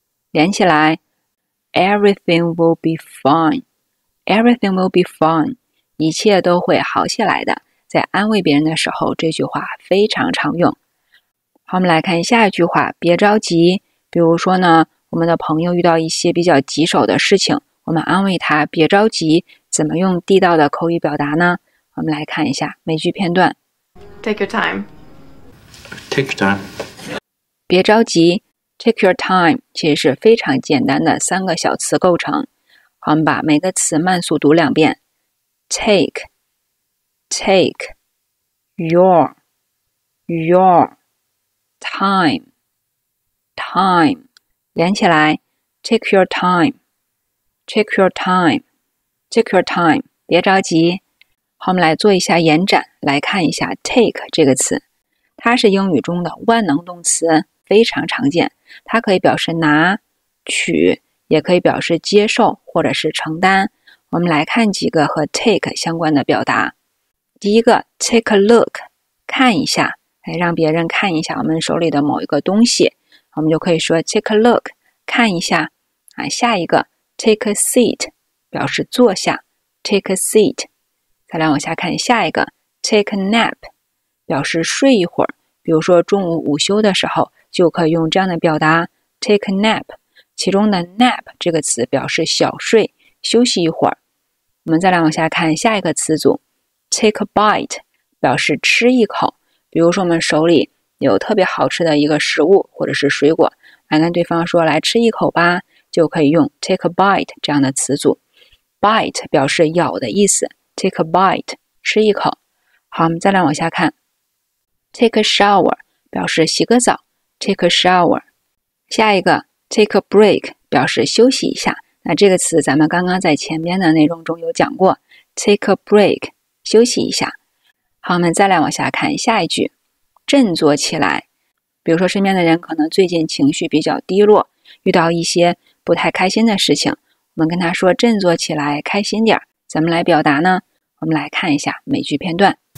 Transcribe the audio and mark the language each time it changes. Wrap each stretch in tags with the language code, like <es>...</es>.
<zh>连起来</zh> <en>,everything will be fine. Everything will be fine.</en> <zh>一切都会好起来的。在安慰别人的时候，这句话非常常用。好，我们来看下一句话，别着急。比如说呢，我们的朋友遇到一些比较棘手的事情，我们安慰他别着急，怎么用地道的口语表达呢？我们来看一下美剧片段。</zh> <en>Take your time. Take your time.</en> <zh>别着急。</zh> <en>Take your time</en> <zh>其实是非常简单的三个小词构成。好，我们把每个词慢速读两遍。</zh> <en>Take, take, your, your, time, time.</en> <zh>连起来。</zh> <en>Take your time, take your time, take your time.</en> <zh>别着急。好，我们来做一下延展，来看一下 take 这个词。它是英语中的万能动词，非常常见。它可以表示拿、取，也可以表示接受或者是承担。我们来看几个和 take 相关的表达。第一个</zh> <en>take a look，</en> <zh>看一下，让别人看一下我们手里的某一个东西，我们就可以说 take a look， 看一下。下一个</zh> <en>take a seat，</en> <zh>表示坐下 ，take a seat。再来往下看下一个</zh> <en>take a nap，</en> <zh>表示睡一会儿，比如说中午午休的时候。就可以用这样的表达</zh> <en>take a nap，</en> <zh>其中的 nap 这个词表示小睡，休息一会儿。我们再来往下看下一个词组，</zh> <en>take a bite，</en> <zh>表示吃一口。比如说我们手里有特别好吃的一个食物或者是水果，来跟对方说来吃一口吧，就可以用</zh> <en>take a bite</en> <zh>这样的词组。 bite 表示咬的意思，</zh> <en>take a bite，</en> <zh>吃一口。好，我们再来往下看，</zh> <en>take a shower，</en> <zh>表示洗个澡。</zh> <en>Take a shower.</en> <zh>下一个</zh> <en>take a break</en> <zh>表示休息一下。那这个词咱们刚刚在前边的内容中有讲过。</zh> <en>Take a break，</en> <zh>休息一下。好，我们再来往下看下一句。振作起来。比如说身边的人可能最近情绪比较低落，遇到一些不太开心的事情。我们跟他说振作起来，开心点。怎么来表达呢？我们来看一下美剧片段。</zh>